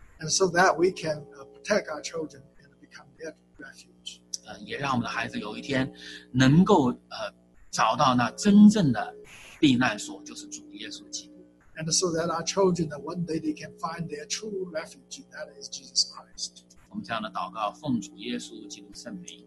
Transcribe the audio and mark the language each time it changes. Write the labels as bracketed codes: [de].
[en] And so that we can protect our children and become their refuge. [zh] 也让我们的孩子有一天能够找到那真正的避难所，就是主耶稣基督。 [en] And so that our children, that one day they can find their true refuge, that is Jesus Christ. [zh] 我们这样的祷告，奉主耶稣基督圣名。